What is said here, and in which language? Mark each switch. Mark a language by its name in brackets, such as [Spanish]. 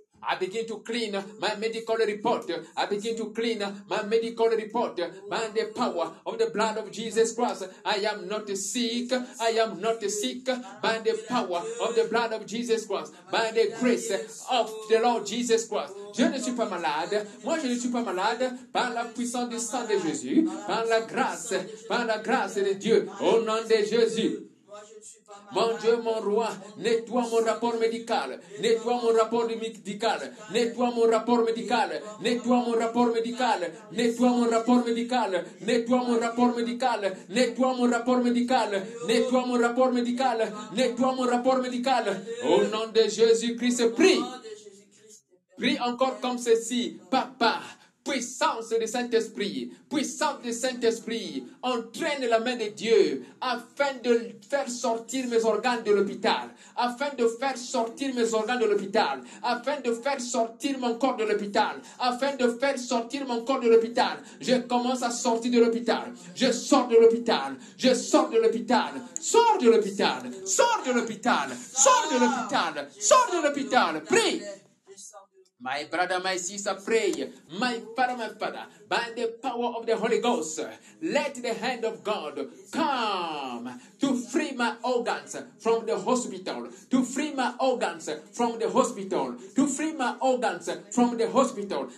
[English] I begin to clean my medical report. I begin to clean my medical report by the power of the blood of Jesus Christ. I am not sick. I am not sick by the power of the blood of Jesus Christ. By the grace of the Lord Jesus Christ. [French] Je ne suis pas malade. Moi, je ne suis pas malade par la puissance du sang de Jésus. Par la grâce de Dieu. Au nom de Jésus. Mon Dieu, mon roi, nettoie mon rapport médical, nettoie mon rapport médical, nettoie mon rapport médical, nettoie mon rapport médical, nettoie mon rapport médical, nettoie mon rapport médical, nettoie mon rapport médical, nettoie mon rapport médical, nettoie mon rapport médical. Au nom de Jésus-Christ, prie. Prie encore comme ceci, papa. Puissance du Saint-Esprit, puissance du Saint-Esprit, entraîne la main de Dieu afin de faire sortir mes organes de l'hôpital, afin de faire sortir mes organes de l'hôpital, afin de faire sortir mon corps de l'hôpital, afin de faire sortir mon corps de l'hôpital. Je commence à sortir de l'hôpital, je sors de l'hôpital, je sors de l'hôpital, sors de l'hôpital, sors de l'hôpital, sors de l'hôpital, sors de l'hôpital, prie. [English] My brother, my sister, pray. My father, by the power of the Holy Ghost, let the hand of God come to free my organs from the hospital, to free my organs from the hospital, to free my organs from the hospital.